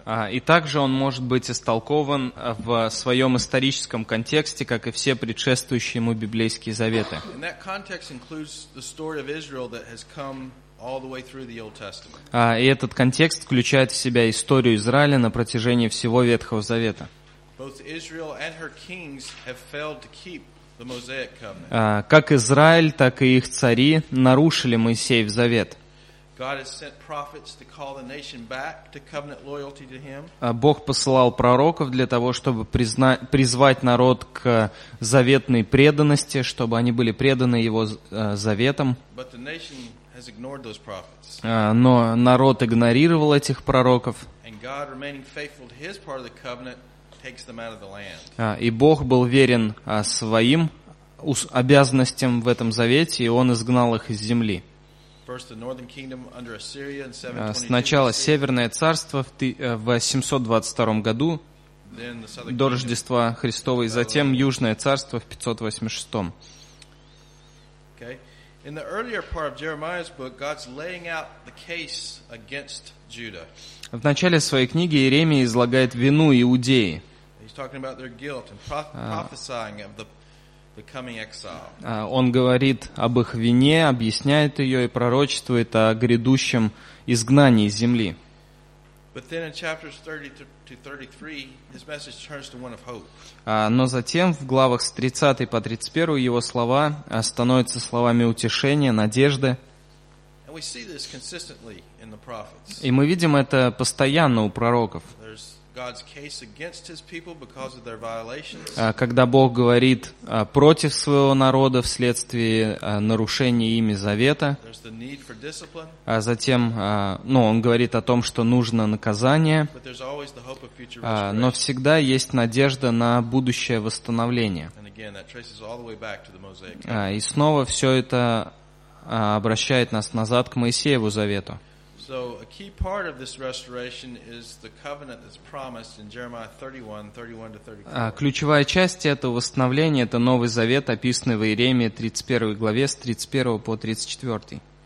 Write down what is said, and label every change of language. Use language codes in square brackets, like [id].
[ru] И также он может быть истолкован в своем историческом контексте, как и все предшествующие ему библейские заветы. [en] In that context includes the story of Israel that has come all the way through the Old Testament. [ru] И этот контекст включает в себя историю Израиля на протяжении всего Ветхого Завета. [en] Both Israel and her kings have failed to keep the Mosaic covenant. [ru] Как Израиль, так и их цари нарушили Моисеев завет. [en] God has sent prophets to call the nation back to covenant loyalty to him. [ru] Бог посылал пророков для того, чтобы призвать народ к заветной преданности, чтобы они были преданы его заветам. [en] But the nation has ignored those prophets. [ru] Но народ игнорировал этих пророков. [en] And God, remaining faithful to his part of the covenant, takes them out of the land. [ru] И Бог был верен своим обязанностям в этом завете, и он изгнал их из земли. [en] First, the northern kingdom under Assyria in 722. [ru] Сначала Северное царство в 722 году до Рождества Христова, и затем Южное царство в 586. [en] Okay. In the earlier part of Jeremiah's book, God's laying out the case against Judah. [ru] В начале своей книги Иеремия излагает вину Иудеи. [en] He's talking about their guilt and prophesying of the coming exile. [ru] Он говорит об их вине, объясняет ее и пророчествует о грядущем изгнании из земли. [en] But then in chapters 30 to 33, his message turns to one of hope. [ru] Но затем в главах с 30 по 31 его слова становятся словами утешения, надежды. [en] And we see this consistently in the prophets. [ru] И мы видим это постоянно у пророков. [en] God's case against his people because of their violations. [ru] Когда Бог говорит против своего народа вследствие нарушения ими завета, [en] there's the need for discipline. [ru] Затем, он говорит о том, что нужно наказание, [en] but there's always the hope of future restoration. [ru] Но всегда есть надежда на будущее восстановление. [en] And again, that traces all the way back to the Mosaic. [ru] И снова все это обращает нас назад к Моисееву завету. [en] So a key part of this restoration is the covenant that's promised in Jeremiah 31:31-34. [ru] Ключевая часть этого восстановления — это Новый Завет, описанный в Иеремии 31 главе с 31 по 34.